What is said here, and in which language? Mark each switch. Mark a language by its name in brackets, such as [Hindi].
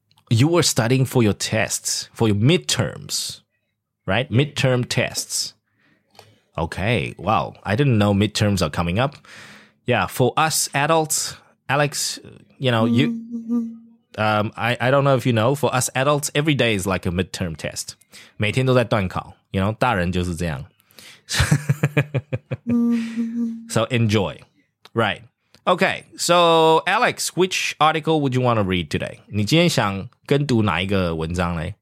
[English] You were studying for your tests, for your midterms, right? Midterm tests. Okay, wow. I didn't know midterms are coming up. Yeah, for us adults, Alex, you know, you. I don't know if you know, for us adults, every day is like a midterm test. [Chinese] 每天都在段考, you know, 大人就是这样. [English] So enjoy. Right. Okay, so Alex, which article would you want to read today? [Chinese] 你今天想跟读哪一个文章呢？